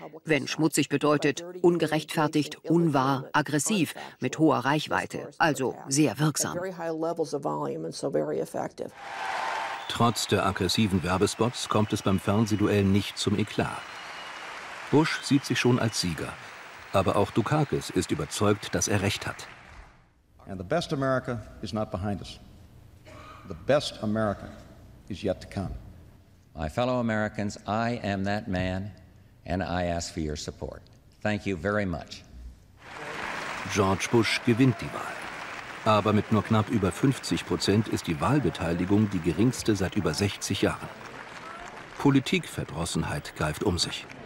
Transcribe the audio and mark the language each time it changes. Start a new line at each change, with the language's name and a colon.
German: Wenn schmutzig bedeutet, ungerechtfertigt, unwahr, aggressiv, mit hoher Reichweite, also sehr wirksam. Trotz der aggressiven Werbespots kommt es beim Fernsehduell nicht zum Eklat. Bush sieht sich schon als Sieger. Aber auch Dukakis ist überzeugt, dass er recht hat.
English: And the best America is not behind us. The best America is yet to come. My fellow Americans, I am that man and I ask for your support. Thank you very much.
German: George Bush gewinnt die Wahl. Aber mit nur knapp über 50% ist die Wahlbeteiligung die geringste seit über 60 Jahren. Politikverdrossenheit greift um sich.